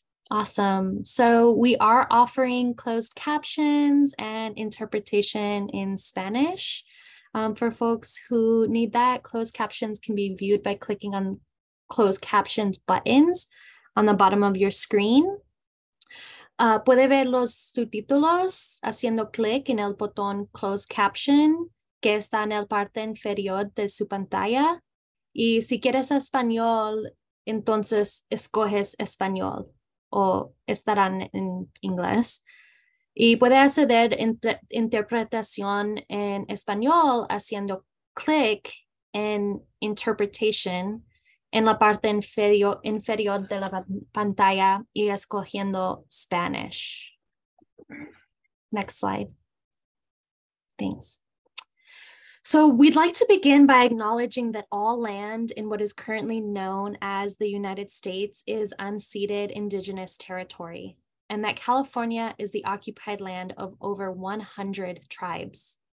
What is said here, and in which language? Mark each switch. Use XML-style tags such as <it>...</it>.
<en>Awesome. So we are offering closed captions and interpretation in Spanish. For folks who need that, closed captions can be viewed by clicking on closed captions buttons on the bottom of your screen.</en> <es>Puede ver los subtítulos haciendo clic en el botón closed caption que está en la parte inferior de su pantalla. Y si quieres español, entonces escoges español. O estarán en inglés. Y puede acceder interpretación en español haciendo clic en interpretation en la parte inferior de la pantalla y escogiendo Spanish.</es> <en>Next slide. Thanks. So we'd like to begin by acknowledging that all land in what is currently known as the United States is unceded indigenous territory, and that California is the occupied land of over 100 tribes.</en>